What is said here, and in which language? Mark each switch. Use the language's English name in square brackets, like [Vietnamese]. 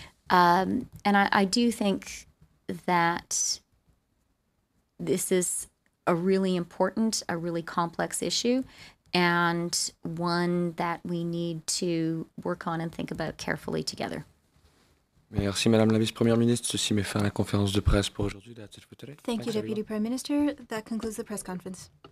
[English] And I do think that this is a really important, a really complex issue, and one that we need to work on and think about carefully together. [French] Merci, Madame la Vice-Première Ministre. Ceci met fin à la conférence de presse pour aujourd'hui. [English] Thank you, Deputy Prime Minister. That concludes the press conference.